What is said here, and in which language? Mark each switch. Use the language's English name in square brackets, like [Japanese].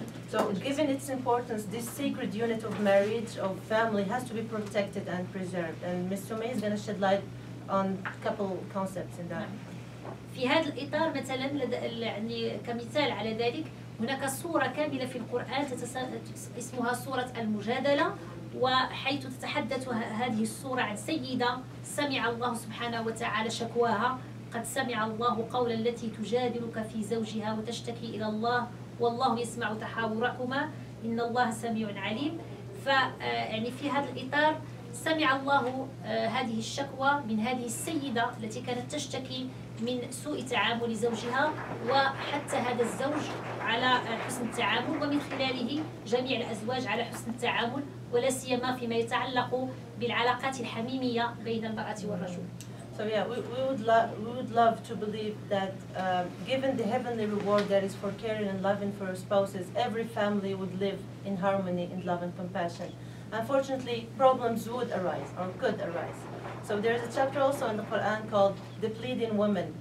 [English] So given its importance, this sacred unit of marriage of family has to be protected and preserved. And Ms. Soumia is going to shed light on a couple concepts in that. [Arabic] في هذا الإطار مثلاً يعني كمثال على ذلك. هناك سورة كاملة في القرآن اسمها سورة المجادلة وحيث تتحدث هذه السورة عن سيدة سمع الله سبحانه وتعالى شكواها قد سمع الله قول التي تجادلك في زوجها وتشتكي إلى الله والله يسمع تحاوركما إن الله سميع عليم فيعني في هذا الإطار سمع الله هذه الشكوى من هذه السيدة التي كانت تشتكي من سوء تعامل زوجها وحتى هذا الزوج على حسن التعامل ومن خلاله جميع الأزواج على حسن التعامل ولا سيما فيما يتعلق بالعلاقات الحميمية بين المرأة والرجل. [English] So yeah, we would love to believe that given the heavenly reward that is for caring and loving for our spouses, every family would live in harmony and love and compassion. Unfortunately, problems would arise or could arise. So there is a chapter also in the Quran called The Pleading Woman.